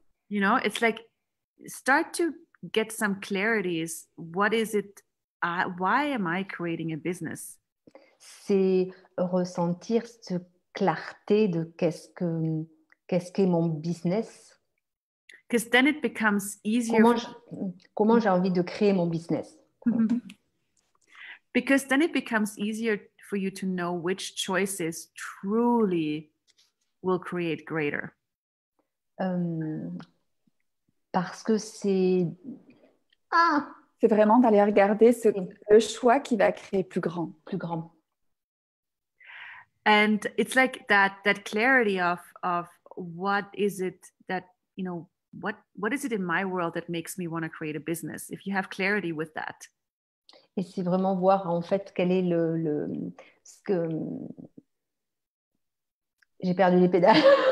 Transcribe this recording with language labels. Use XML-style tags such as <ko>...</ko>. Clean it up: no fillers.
<en>You know, it's like, start to get some clarities. What is it? Why am I creating a business?</en> <fr>C'est ressentir cette clarté de qu'est-ce qu'est mon business.</fr> <en>Because then it becomes easier.</en> <fr>Comment j'ai envie de créer mon business?</fr> <en>Because then it becomes easier for you to know which choices truly will create greater.</en> <fr>Parce que c'est... Ah, c'est vraiment d'aller regarder le choix qui va créer plus grand. Plus grand.</fr> <en>And it's like that clarity of what is it that, you know, what is it in my world that makes me want to create a business? If you have clarity with that.</en> <fr>Et c'est vraiment voir en fait quel est le ce que j'ai perdu les pédales.</fr>